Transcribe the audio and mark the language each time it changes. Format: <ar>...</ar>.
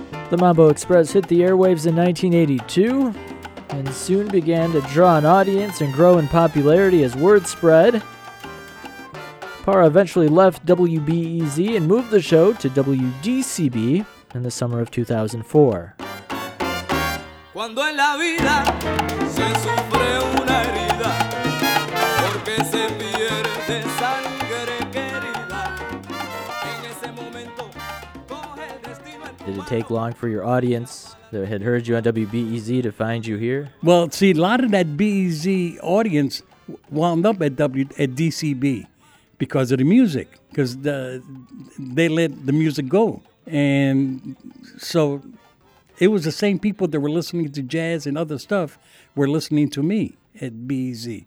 <en>The Mambo Express hit the airwaves in 1982 and soon began to draw an audience and grow in popularity as word spread. Parra eventually left WBEZ and moved the show to WDCB in the summer of 2004.</en> <es>Cuando en la vida se sufre una herida, porque se pierde sangre querida. En ese momento, coge el destino.</es> <en>Did it take long for your audience that had heard you on WBEZ to find you here? Well, see, a lot of that BEZ audience wound up at DCB. Because of the music, because they let the music go. And so it was the same people that were listening to jazz and other stuff were listening to me at BEZ.</en>